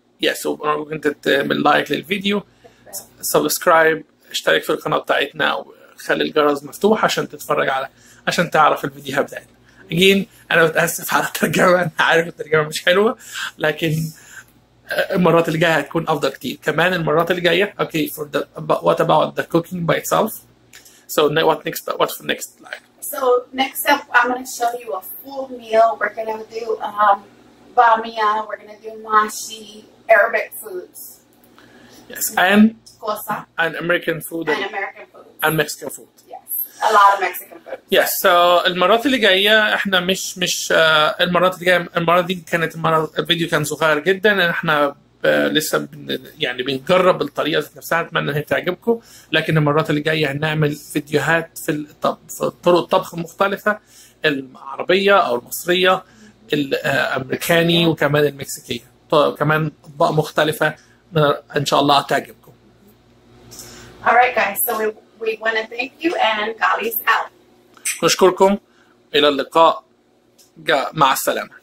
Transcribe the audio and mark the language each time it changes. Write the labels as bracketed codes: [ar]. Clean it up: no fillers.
[en] Yes, so we're going to tell like the video, subscribe, [ar] اشترك في القناة بتاعتنا وخلي الجرس مفتوح عشان تتفرج على عشان تعرف الفيديوهات بتاعتنا. [en] Again, [ar] انا بتأسف على الترجمة. انا عارف الترجمة مش حلوة لكن المرات الجاية هتكون افضل كتير. كمان المرات الجاية [en] okay, for the what about the cooking by itself? So what next, what's for next like? So next up, I'm going to show you a full meal. We're going to do bamia, we're gonna do mashi, Arabic foods. Yes, and American food. And American food. And Mexican food. Yes, a lot of Mexican food. Yes, so [ar] المرات اللي جاية احنا مش المرات اللي جاية المرات دي كانت الفيديو كان صغير جدا. احنا لسه يعني بنجرب الطريقة نفسها. اتمنى انها تعجبكم. لكن المرات اللي جاية هنعمل فيديوهات في طرق الطبخ المختلفة العربية او المصرية الامريكاني وكمان المكسيكي. طيب كمان اطباق مختلفه ان شاء الله تعجبكم. [en] Alright guys, so we want to thank you and Ghali's out. [ar] نشكركم الى اللقاء. مع السلامه.